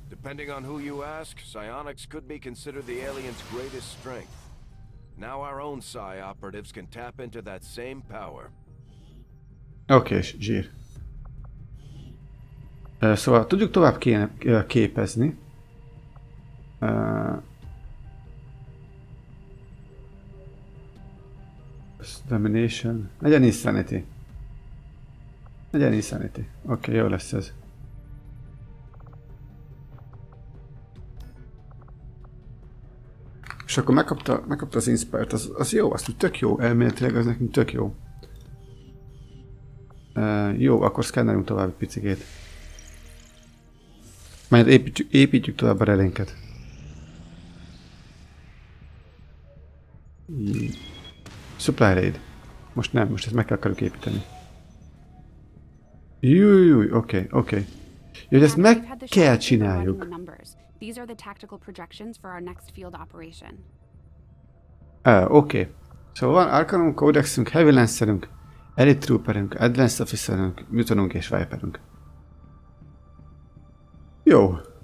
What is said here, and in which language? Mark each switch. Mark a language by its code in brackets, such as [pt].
[en] Depending on who you ask, psionics could be considered the alien's greatest strength. Now our own psi operatives can tap into that same power. [hu] Oké, okay, zsír. Szóval tudjuk tovább képezni. Domination. Legyen insanity. Legyen insanity. Oké, okay, jó lesz ez. És akkor megkapta az Inspire-t, az jó, azt tök jó, elméletileg az nekünk tök jó. Jó, akkor szkennelünk tovább picikét. Majd építjük tovább a relénket. Supply raid. Most nem, most ezt meg kell akarjuk építeni. Jújjúj, oké. Jó, ezt meg kell csináljuk. [en] These are the tactical projections for our next field operation. Okay. [hu] So van Arcanum Codexünk, Heavy Lancerünk, Elite Trooperünk, Advanced Officerünk, Mutonunk és Viperünk. Jó.